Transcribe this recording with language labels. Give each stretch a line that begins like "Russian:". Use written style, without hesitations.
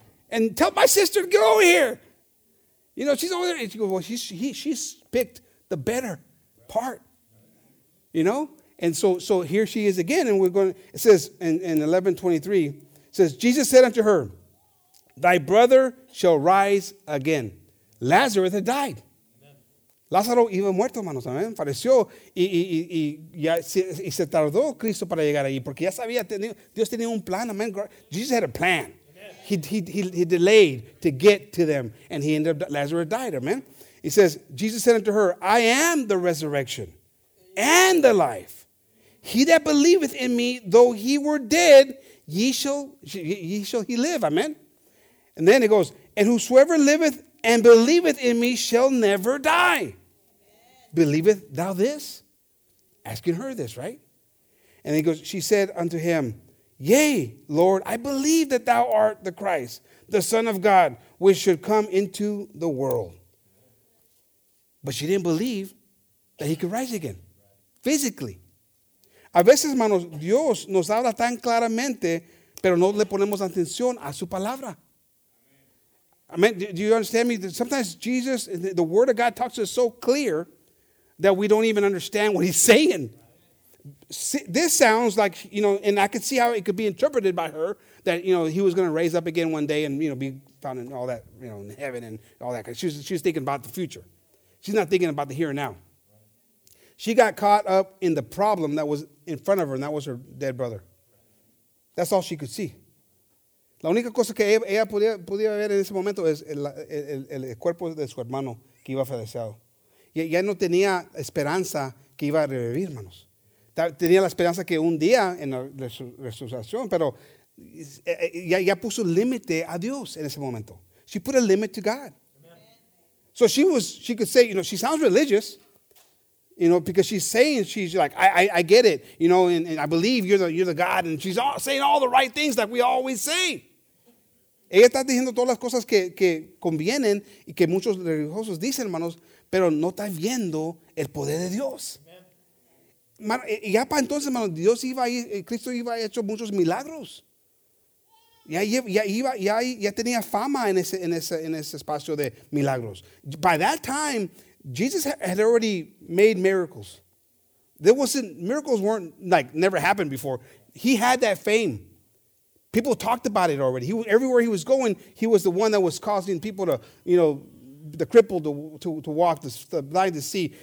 English: And tell my sister to get over here. You know, she's over there. And she goes, well, she's picked the better part. You know? And so here she is again. And we're going, it says in 11:23, says, Jesus said unto her, thy brother shall rise again. Lazarus had died.
Spanish: Lázaro iba muerto, hermanos, amén. Falleció y se tardó Cristo para llegar allí, porque ya sabía, Dios tenía un plan, amén.
English: Jesus had a plan. Amen. He delayed to get to them, and he ended up, Lazarus died, amén. He says, Jesus said unto her, I am the resurrection and the life. He that believeth in me, though he were dead, ye shall live, amén. And then it goes, and whosoever liveth and believeth in me shall never die. Believeth thou this? Asking her this, right? And he goes, she said unto him, yea, Lord, I believe that thou art the Christ, the Son of God, which should come into the world. But she didn't believe that he could rise again, physically.
Spanish: A veces, hermanos, Dios nos habla tan claramente, pero no le ponemos atención a su palabra.
English: I mean, do you understand me? Sometimes Jesus, the word of God talks to us so clear that we don't even understand what he's saying. This sounds like, you know, and I could see how it could be interpreted by her that, you know, he was going to raise up again one day and, you know, be found in all that, you know, in heaven and all that. She was thinking about the future. She's not thinking about the here and now. She got caught up in the problem that was in front of her, and that was her dead brother. That's all she could see.
Spanish: La única cosa que ella podía ver en ese momento es el cuerpo de su hermano que iba fallecido. Ya no tenía esperanza que iba a revivir, hermanos. Tenía la esperanza que un día en la resurrección, pero ya puso límite a Dios en ese momento.
English: She put a limit to God. Amen. So she could say, you know, she sounds religious, you know, because she's saying, she's like, I get it, you know, and I believe you're the God, and she's all, saying all the right things like we always say.
Spanish: Ella está diciendo todas las cosas que convienen y que muchos religiosos dicen, hermanos, pero no está viendo el poder de Dios. Man, y ya para entonces, hermanos, Dios iba ahí, Cristo iba a hecho muchos milagros. Ya tenía fama en ese espacio de milagros.
English: By that time, Jesus had already made miracles. Miracles weren't like never happened before. He had that fame. People talked about it already. Everywhere he was going, he was the one that was causing people to, you know, the crippled to walk, the blind to see.